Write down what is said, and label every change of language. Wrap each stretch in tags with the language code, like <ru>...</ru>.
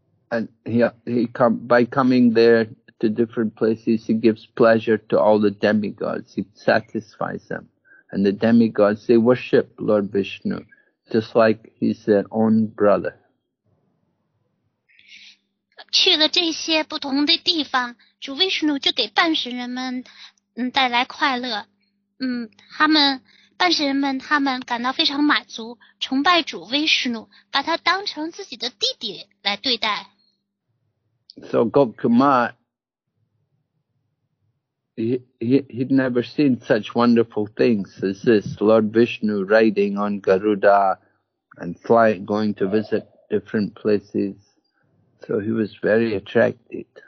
<en>And by coming there to different places, he gives pleasure to all the demigods. He satisfies them, and the demigods they worship Lord Vishnu, just like he's their own brother.</en> <zh>去了这些不同的地方，主维士努就给半神人们带来快乐。他们感到非常满足，崇拜主维士努，把他当成自己的弟弟来对待。</zh> <en>So Gopkumar, he'd never seen such wonderful things as this. Lord Vishnu riding on Garuda and going to visit different places. So he was very attracted.</en>